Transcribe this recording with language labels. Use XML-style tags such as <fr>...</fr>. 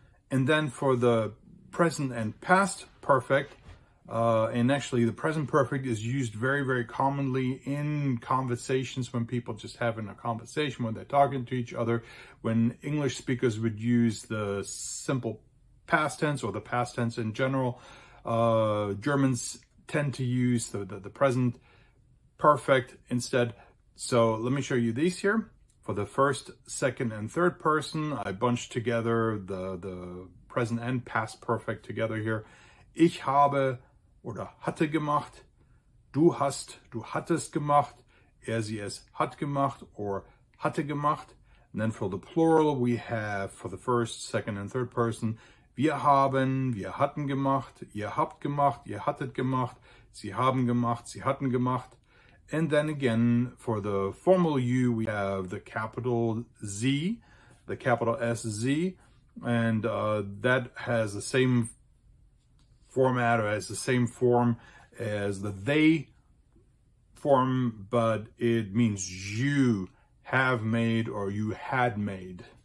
<en>And then for the present and past perfect, and actually the present perfect is used very, very commonly in conversations when people just having a conversation, when they're talking to each other, when English speakers would use the simple past tense or the past tense in general. Germans tend to use the present perfect instead. So let me show you these here. For the first, second, and third person, I bunched together the present and past perfect together here.</en> <de>Ich habe oder hatte gemacht. Du hast, du hattest gemacht. Er, sie, es hat gemacht or hatte gemacht.</de> <en>And then for the plural, we have for the first, second, and third person,</en> <de>wir haben, wir hatten gemacht, ihr habt gemacht, ihr hattet gemacht, sie haben gemacht, sie hatten gemacht.</de> <en>And then again, for the formal you, we have the capital Z, the capital SZ, and that has the same format or has the same form as the they form, but it means you have made or you had made.</en>